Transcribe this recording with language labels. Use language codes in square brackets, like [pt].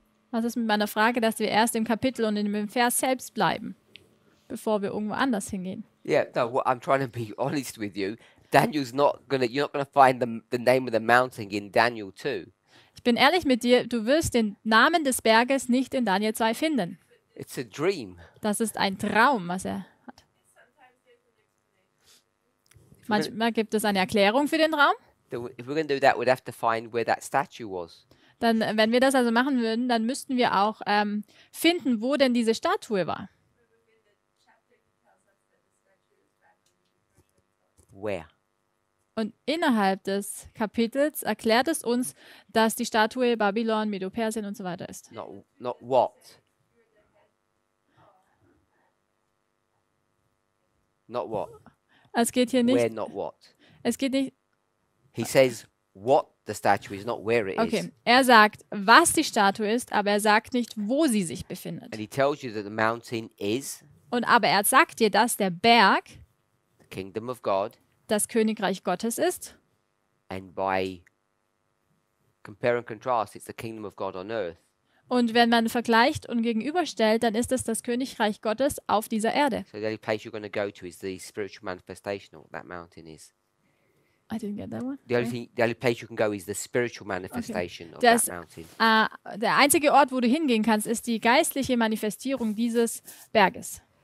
[de] Was ist mit meiner Frage, dass wir erst im Kapitel und in dem Vers selbst bleiben, bevor wir irgendwo anders hingehen? [en] Yeah, no, well, I'm trying to be honest with you. Daniel's not gonna, you're not gonna find the name of the mountain in Daniel 2. [de] Ich bin ehrlich mit dir, du wirst den Namen des Berges nicht in Daniel 2 finden. [en] It's a dream. [de] Das ist ein Traum, was er hat. Manchmal gibt es eine Erklärung für den Traum. [en] If we're gonna do that, we'd have to find where that statue was. [de] Dann, wenn wir das also machen würden, dann müssten wir auch finden, wo denn diese Statue war. [en] Where? [de] Und innerhalb des Kapitels erklärt es uns, dass die Statue Babylon, Medo-Persien und so weiter ist. [en] Not what? Not what? [de] Es geht hier nicht. [en] Where, not what? [de] Es geht nicht. [en] He says what the statue is, not where it is. [de] Okay, er sagt, was die Statue ist, aber er sagt nicht, wo sie sich befindet. [en] And he tells you that the mountain is. [de] Und aber er sagt dir, dass der Berg, [en] the kingdom of God, [de] das Königreich Gottes ist. [en] And by compare and contrast, it's the kingdom of God on earth. [de] Und wenn man vergleicht und gegenüberstellt, dann ist es das Königreich Gottes auf dieser Erde. [en] So the only place you're going to go to is the spiritual manifestation of that mountain is. I didn't get that one. The only place you can go is the spiritual manifestation of [de] das, [en] that mountain. [de] Der einzige Ort, wo du hingehen kannst, ist die geistliche Manifestierung dieses Berges.